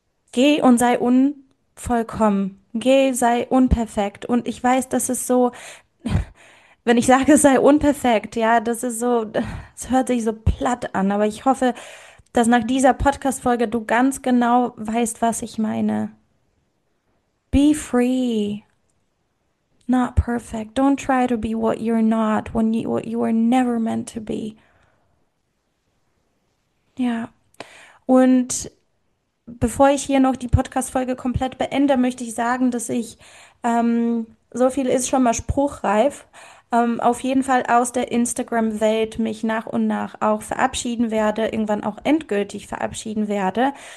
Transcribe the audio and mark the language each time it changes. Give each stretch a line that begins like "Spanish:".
German: Geh und sei unvollkommen. Geh, sei unperfekt. Und ich weiß, das ist so, wenn ich sage, sei unperfekt, ja, das ist so, es hört sich so platt an. Aber ich hoffe, dass nach dieser Podcast-Folge du ganz genau weißt, was ich meine.
English: Be free. Not perfect. Don't try to be what you're not, what you were never meant to be.
German: Ja. Und bevor ich hier noch die Podcast-Folge komplett beende, möchte ich sagen, dass ich, so viel ist schon mal spruchreif, auf jeden Fall aus der Instagram-Welt mich nach und nach auch verabschieden werde, irgendwann auch endgültig verabschieden werde.